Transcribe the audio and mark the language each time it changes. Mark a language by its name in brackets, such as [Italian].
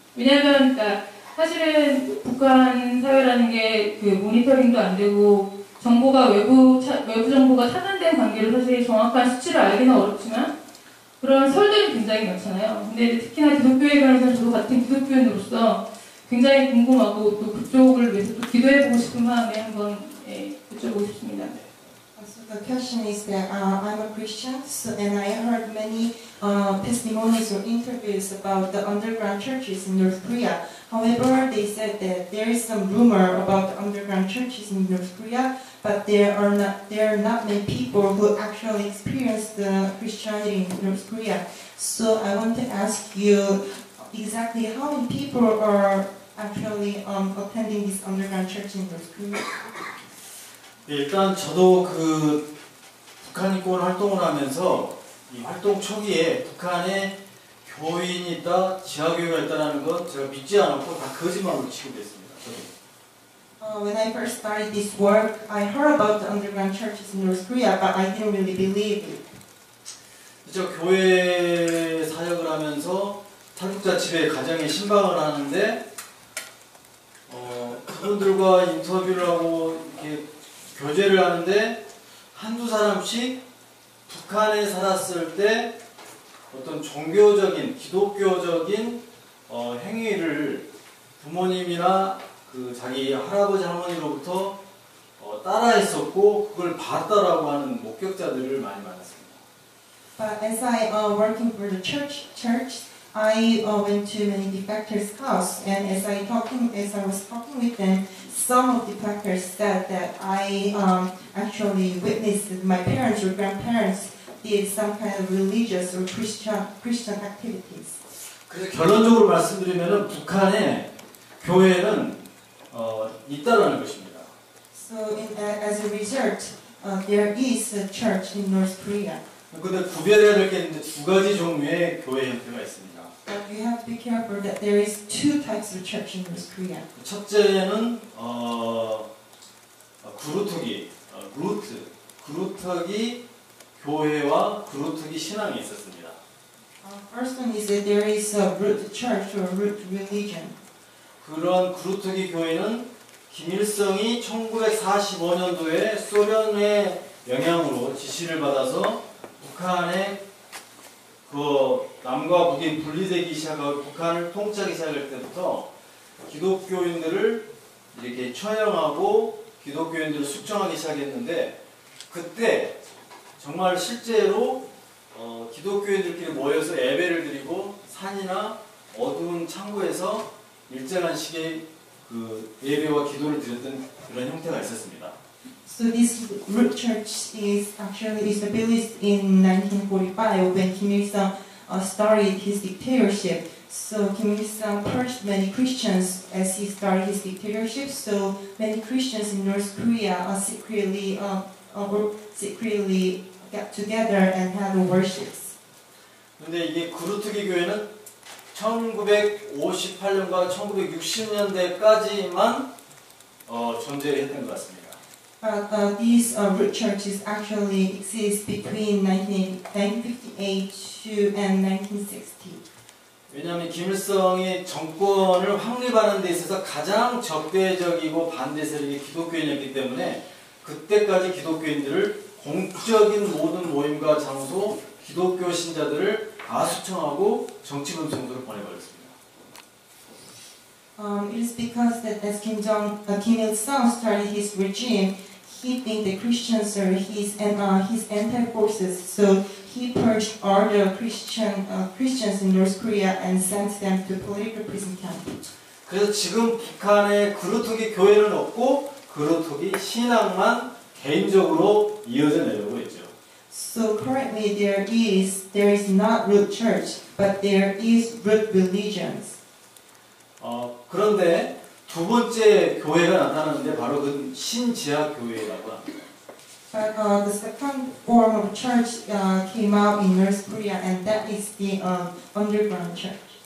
[Korean] 왜냐하면 그러니까 사실은 북한 사회라는 게 그 모니터링도 안 되고 정보가 외부 정보가 차단된 관계로 사실 정확한 수치를 알기는 어렵지만 그런 설들이 굉장히 많잖아요. 근데 특히나 기독교에 관해서는 저도 같은 기독교인으로서 굉장히 궁금하고 또 그쪽을 위해서 또 기도해 보고 싶은 마음에 한번 예, 여쭤보고 싶습니다. [English] So the question is that I'm a Christian so, and I heard many testimonies or interviews about the underground churches in North Korea. However, they said that there is some rumor about the underground churches in North Korea, but there are not many people who actually experienced the Christianity in North Korea. So I want to ask you exactly how many people are actually attending this underground church in North Korea? [Korean] 일단 저도 그 북한 인권 활동을 하면서 이 활동 초기에 북한에 교인이 있다, 지하교회가 있다라는 건 제가 믿지 않았고 다 거짓말로 취급했습니다. [English] When I first started this work, I heard about the underground churches in North Korea, but I didn't really believe it. [Korean] 저 교회 사역을 하면서 탈북자 집에 가정에 신방을 하는데 그분들과 인터뷰를 하고 이렇게 교제를 하는데 한두 사람씩 북한에 살았을 때 어떤 종교적인, 기독교적인 행위를 부모님이나 그 자기 할아버지, 할머니로부터 따라했었고 그걸 봤다라고 하는 목격자들을 많이 만났습니다. [English] But as I working for the church, I went to many defectors' house, and as I was talking with them, some of the defectors said that I actually witnessed my parents or grandparents did some kind of religious or Christian activities. [Korean] 그래서 결론적으로 말씀드리면은 북한에 교회는 있다라는 것입니다. [English] So as a result, there is a church in North Korea. [Korean] 근데 구별해야 될 게 있는데 두 가지 종류의 교회 형태가 있습니다. [English] But you have to be careful that there is two types of church in North Korea. [Korean] 첫째는 그루터기 교회와 그루터기 신앙이 있었습니다. [English] First one is that there is a root church or root religion. [Korean] 그런 그루터기 교회는 김일성이 1945년도에 소련의 영향으로 지시를 받아서 북한에 그 남과 북이 분리되기 시작하고 북한을 통치하기 시작할 때부터 기독교인들을 이렇게 처형하고 기독교인들을 숙청하기 시작했는데 그때 정말 실제로 기독교인들끼리 모여서 예배를 드리고 산이나 어두운 창고에서 일정한 시기에 그 예배와 기도를 드렸던 그런 형태가 있었습니다. [English] So this root church is actually established in 1945 when Kim Il-sung started his dictatorship. So Kim Il-sung purged many Christians as he started his dictatorship. So many Christians in North Korea secretly got together and had worships. [Korean] 근데 이게 구루트기 교회는 1958년과 1960년대까지만 존재했던 것 같습니다. [English] But these root churches actually exist between 1958 and 1960. [Korean] 왜냐하면 김일성이 정권을 확립하는 데 있어서 가장 적대적이고 반대 세력이 기독교인이었기 때문에 그때까지 기독교인들을 공적인 모든 모임과 장소, 기독교 신자들을 아수청하고 정치범 정도로 보내버렸습니다. [English] It is because that as Kim Il-sung started his regime, he think the Christians are his anti-forces, so he purged all the Christians in North Korea and sent them to political prison camp. [Korean] 그래서 지금 북한에 그루토기 교회는 없고 그루토기 신앙만 개인적으로 이어져 내려오고 있죠. [English] So currently there is not root church, but there is root religions. [Korean] 그런데 두 번째 교회가 나타났는데 바로 그 신지하 교회라고 합니다. [English] But the second form of church came out in North Korea, and that is the underground church.